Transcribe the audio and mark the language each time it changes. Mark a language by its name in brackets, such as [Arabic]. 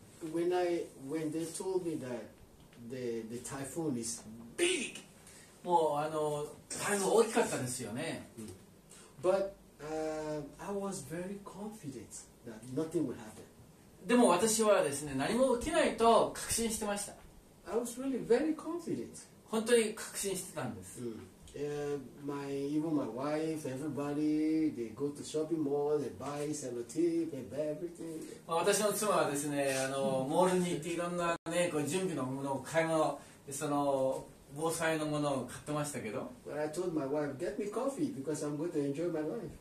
[English] When they told me that the typhoon is big. [Japanese] もう台風大きかったですよね。 [English] But I was very confident that nothing would happen. [Japanese] でも私はですね、何も起きないと確信してました。 [English] I was really very confident. [Japanese] 本当に確信してたんです。 [English] Even my wife, everybody, they go to shopping mall, they buy sellotape and everything. [Japanese] 私の妻はですね、モールに行っていろんなね、こう準備のものを買い物その。防災のものを買ってましたけど。 [English] But I told my wife, get me coffee because I'm going to enjoy my life.